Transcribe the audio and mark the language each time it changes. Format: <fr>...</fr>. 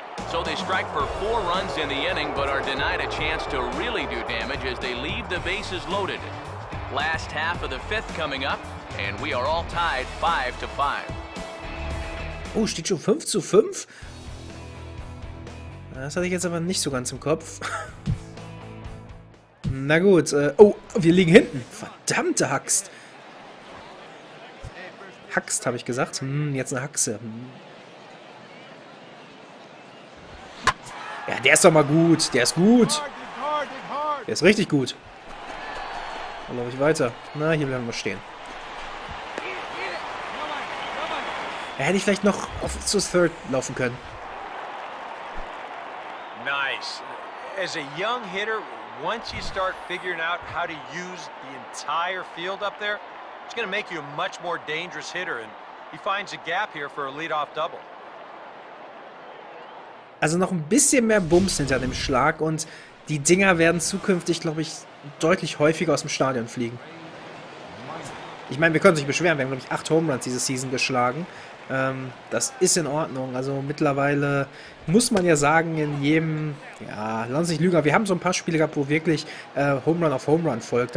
<en>So they strike for 4 runs in the inning, but are denied a chance to really do damage as they leave the bases loaded. Last half of the 5th coming up, and we are all tied 5-5.</en> <de>Oh, steht schon 5-5? Das hatte ich jetzt aber nicht so ganz im Kopf. Na gut, wir liegen hinten. Verdammte Haxt. Haxt, habe ich gesagt. Jetzt eine Haxe. Ja, der ist doch mal gut. Der ist gut. Der ist richtig gut. Dann laufe ich weiter. Na, hier bleiben wir stehen. Da hätte ich vielleicht noch auf zu Third laufen können.</de> <en>Nice. As a young hitter, once you start figuring out how to use the entire field up there, it's going to make you a much more dangerous hitter. And he finds a gap here for a leadoff double.</en> <de>Also noch ein bisschen mehr Bums hinter dem Schlag und die Dinger werden zukünftig, glaube ich, deutlich häufiger aus dem Stadion fliegen. Ich meine, wir können uns nicht beschweren. Wir haben, glaube ich, 8 Homeruns diese Season geschlagen. Das ist in Ordnung. Also mittlerweile muss man ja sagen, in jedem, ja, lass uns nicht lügen, aber wir haben so ein paar Spiele gehabt, wo wirklich Homerun auf Homerun folgt.</de>